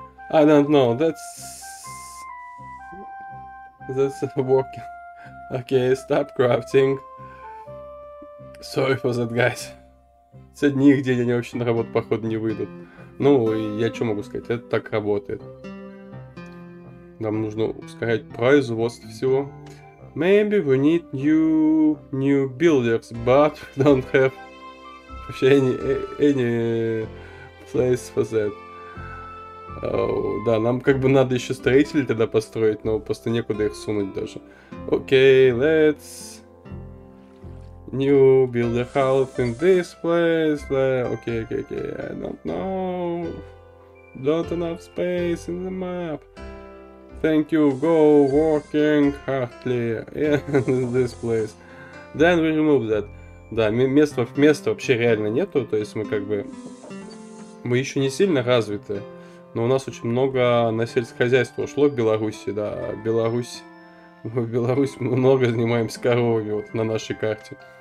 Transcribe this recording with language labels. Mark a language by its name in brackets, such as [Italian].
[English] I don't know, that's working. Okay, stop crafting. Sorry for that, guys. [Russian] Сегодня нигде они вообще на работу, походу, не выйдут. Ну, я что могу сказать, это так работает. Нам нужно ускорять производство всего. [English] Maybe we need new builders, but we don't have [Russian] вообще [English] any place for that. [Russian] Да, нам как бы надо еще строителей тогда построить, но просто некуда их сунуть даже. [English] Okay, let's New build a house in this place. Okay. I don't know. Not enough space in the map. Thank you, go walking hardly in this place. Then we remove that. [Russian] Да, места вообще реально нету, то есть мы как бы... Мы еще не сильно развиты, но у нас очень много на сельскохозяйство ушло в Беларуси, да. В Беларусь мы много занимаемся коровами вот на нашей карте.